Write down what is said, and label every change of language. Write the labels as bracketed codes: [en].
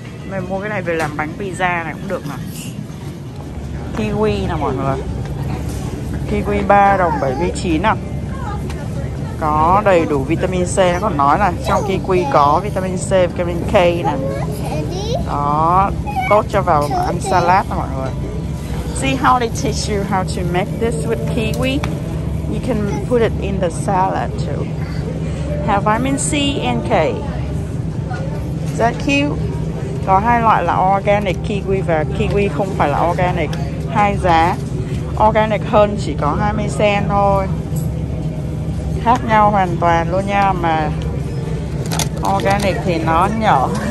[vi] Mình mua cái này về làm bánh pizza này cũng được nè. Kiwi nè mọi người. Kiwi 3.79 đồng nè. Có đầy đủ vitamin C, nó còn nói là trong kiwi có vitamin C, vitamin K nè. Đó, tốt cho vào ăn salad nè mọi người. [en] See how they teach you how to make this with kiwi? You can put it in the salad too. Have vitamin C and K. Is that cute? [vi] Có hai loại là organic kiwi và kiwi không phải là organic. Hai giá. Organic hơn chỉ có 20 cent thôi. Khác nhau hoàn toàn luôn nha, mà organic thì nó nhỏ.